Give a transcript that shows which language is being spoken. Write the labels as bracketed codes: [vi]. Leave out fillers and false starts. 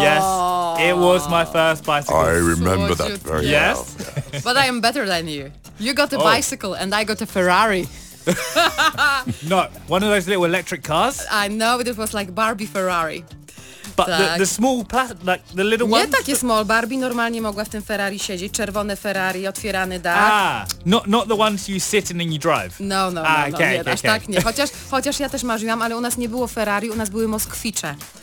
[en] Yes, it was my first bicycle. I remember that very well. Yes. But I am better than you. You got a bicycle, and I got a Ferrari. No, one of those little electric cars. I know, but it was like Barbie Ferrari. But the small plastic, like the little ones. [pl] Nie takie [en] small. [pl] Barbie normalnie mogła w tym Ferrari siedzieć. Czerwone Ferrari, otwierany dach. [en] Not the ones you sit in and you drive. [pl] No, okay. Tak nie. Chociaż ja też marzyłam, ale u nas nie było Ferrari, u nas były Moskwicze.